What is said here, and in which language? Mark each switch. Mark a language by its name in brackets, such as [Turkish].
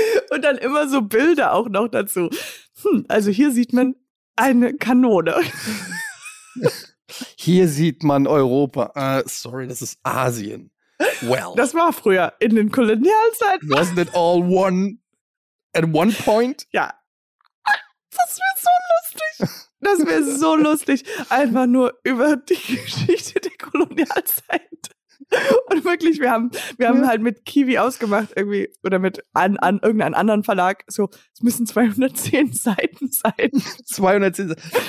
[German] Und dann immer so Bilder auch noch dazu. Also hier sieht man eine Kanone. Hier sieht man Europa. Sorry, das ist Asien. Well. Das war früher in den Kolonialzeiten. [English] Wasn't it all one at one point? [German] Ja. Das wäre so lustig. Das wäre so lustig. Einfach nur über die Geschichte der Kolonialzeit. Und wirklich, wir haben halt mit Kiwi ausgemacht, irgendwie, oder mit an irgendeinem anderen Verlag, so, es müssen 210 Seiten sein. 210 Seiten.